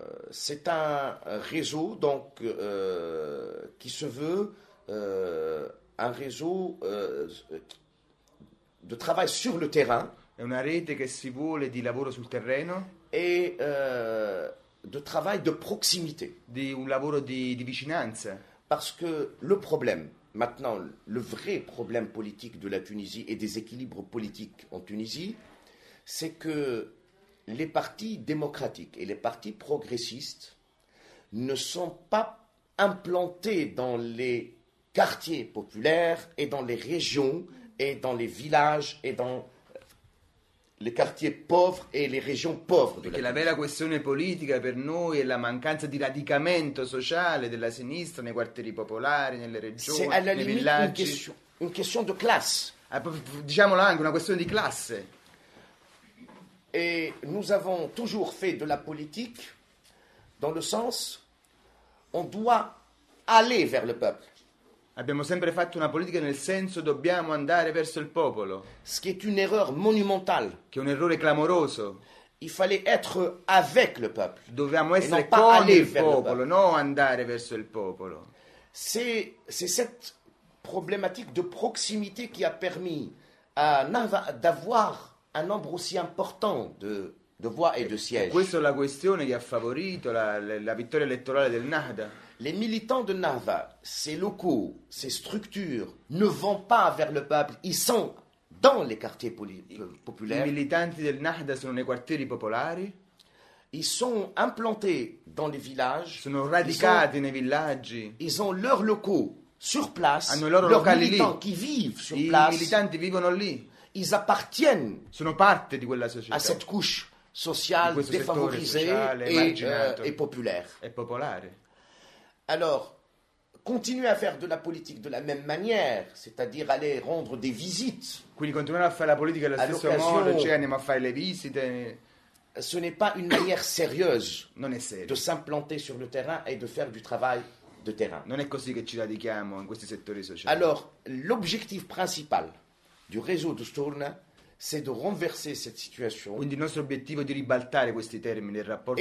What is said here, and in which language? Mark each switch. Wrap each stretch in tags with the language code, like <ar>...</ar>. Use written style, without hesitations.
<fr>C'est un réseau donc qui se veut un réseau de travail sur le terrain.</fr> <it>È una rete che si vuole di lavoro sul terreno</it> <fr>et de travail de proximité.</fr> <it>Di un lavoro di vicinanza.</it> <fr>Parce que le problème maintenant, le vrai problème politique de la Tunisie et des équilibres politiques en Tunisie, c'est que les partis démocratiques et les partis progressistes ne sont pas implantés dans les quartiers populaires et dans les régions et dans les villages et dans les quartiers pauvres et les régions pauvres.</fr> <it>Perché la vera questione politica per noi è la mancanza di radicamento sociale della sinistra nei quartieri popolari, nelle regioni, nei villaggi.</it> <fr>C'est à la limite une question de classe.</fr> <it>Diciamolo anche, una questione di classe.</it> <fr>Et nous avons toujours fait de la politique dans le sens on doit aller vers le peuple.</fr> <it>Abbiamo sempre fatto una politica nel senso dobbiamo andare verso il popolo.</it> <fr>Ce qui est une erreur monumentale.</fr> <it>Che è un errore clamoroso.</it> <fr>Il fallait être avec le peuple.</fr> <it>Dovevamo essere con il popolo, non andare verso il popolo.</it> <fr>C'est cette problématique de proximité qui a permis à Nava d'avoir un nombre aussi important de voix et de sièges.</fr> <it>E questa è la questione che ha favorito la vittoria elettorale del Nahda.</it> <fr>Les militants de Nahda, ces locaux, ces structures, ne vont pas vers le peuple, ils sont dans les quartiers populaires.</fr> <it>I militanti del Nahda sono nei quartieri popolari.</it> <fr>Ils sont implantés dans les villages.</fr> <it>Sono radicati nei villaggi.</it> <fr>Ils ont leurs locaux sur place.</fr> <it>Hanno i loro locali lì.</it> <fr>Qui vivent sur</fr> <it>I</it> <fr>place.</fr> <it>Militanti vivono lì.</it> <fr>Ils appartiennent</fr> <it>sono parte di quella società.</it> <fr>À cette couche social défavorisé et populaire. Et populaire. Alors, continuer à faire de la politique de la même manière, c'est-à-dire aller rendre des visites.</fr> <it>Quindi continuare a fare la politica allo stesso modo, cioè andiamo a fare le visite.</it> <fr>Ce n'est pas une manière sérieuse</fr> <it>non è serio.</it> <fr>De s'implanter sur le terrain et de faire du travail de terrain.</fr> <it>Non è così che ci radichiamo in questi settori sociali.</it> <fr>Alors, l'objectif principal du réseau de Sturna, c'est de renverser cette situation.</fr> <it>Quindi il nostro obiettivo è di ribaltare questi termini, il rapporto</it>